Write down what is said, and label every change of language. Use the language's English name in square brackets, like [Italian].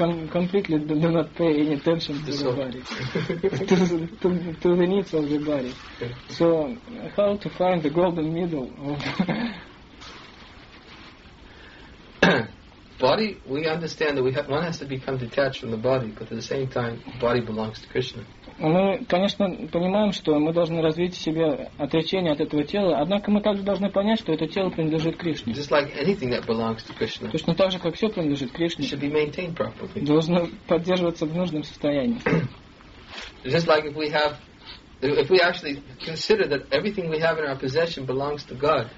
[English] Completely do not pay any attention to the body, to the needs of the body. So, how to find the golden middle? Body, we understand that one has to become detached from the body, but at the same time, body belongs to Krishna. [Russian] Мы, конечно, понимаем, что мы должны развить в себе отречение от этого тела, однако мы также должны понять, что это тело принадлежит Кришне. [English] Just like anything that belongs to Krishna. [Russian] Точно так же, как все принадлежит Кришне. [English] It should be maintained properly. [Russian] Должно поддерживаться в нужном состоянии. [English] Just like if we actually consider that everything we have in our possession belongs to God.